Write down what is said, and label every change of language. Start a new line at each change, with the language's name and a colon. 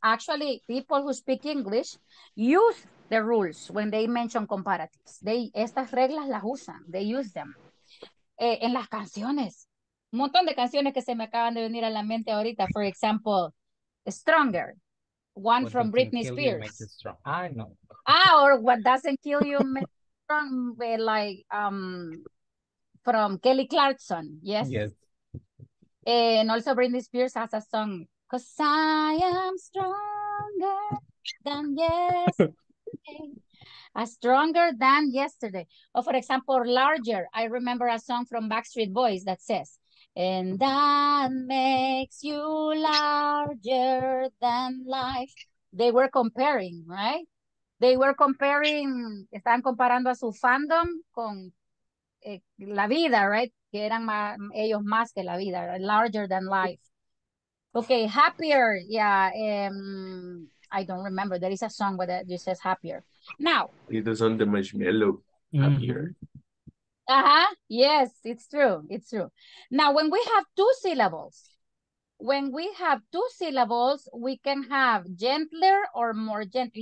English: Actually, people who speak English use the rules when they mention comparatives.
Spanish: Estas reglas las usan.
English: They use them.
Spanish: En las canciones. Un montón de canciones que se me acaban de venir a la mente ahorita.
English: For example, Stronger. One from Britney Spears. I know. Ah, or What Doesn't Kill You Makes Strong, like from Kelly Clarkson. Yes. Yes. And also Britney Spears has a song, Cause I am stronger than yesterday. Stronger than yesterday. Or for example, Larger. I remember a song from Backstreet Boys that says, and that makes you larger than life. They were comparing, right? They were comparing,
Spanish: estaban comparando a su fandom con la vida,
English: right?
Spanish: Que eran ellos más que la vida, right?
English: Larger than life. Okay, happier, yeah. I don't remember, there is a song where it says happier. Now. It is on the marshmallow, happier. Uh-huh, yes, it's true. Now, when we have two syllables, we can have gentler or more gentle.